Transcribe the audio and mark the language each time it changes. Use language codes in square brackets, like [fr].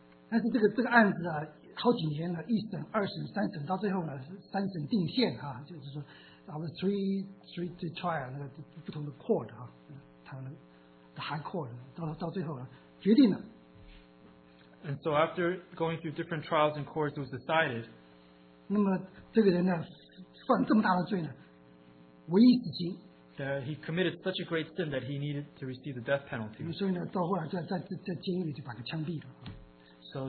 [zh] 但是这个案子啊,好几年了,一审,二审,三审,到最后呢,三审定线,就是说, [en] three trial, [zh] 不同的court,他们的high court,到最后决定了。 [en] And so after going through different trials and courts, it was decided. [zh] 那么这个人呢，犯这么大的罪呢，唯一死刑。 [en] That he committed such a great sin that he needed to receive the death penalty. [zh] 所以呢，到后来在监狱里就把他枪毙了。So